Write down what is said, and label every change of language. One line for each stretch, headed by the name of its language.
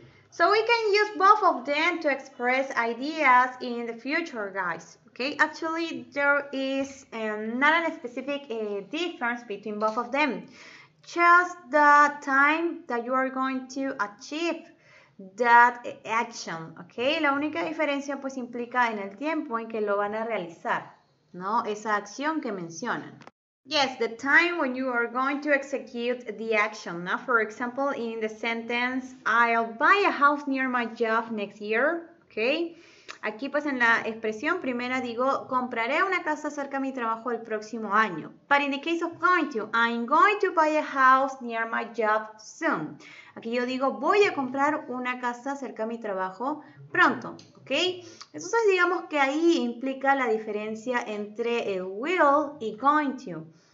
English: So we can use both of them to express ideas in the future, guys. Okay, actually there is not a specific difference between both of them. just the time that you are going to achieve that action, okay?
Spanish: La única diferencia pues implica en el tiempo en que lo van a realizar, ¿no? Esa acción que mencionan.
English: Yes, the time when you are going to execute the action, ¿no? For example, in the sentence, I'll buy a house near my job next year, okay?
Spanish: Aquí pues en la expresión primera digo, compraré una casa cerca de mi trabajo el próximo año.
English: But in the case of going to, I'm going to buy a house near my job soon.
Spanish: Aquí yo digo, voy a comprar una casa cerca de mi trabajo pronto, ¿ok? Entonces digamos que ahí implica la diferencia entre el will y going to.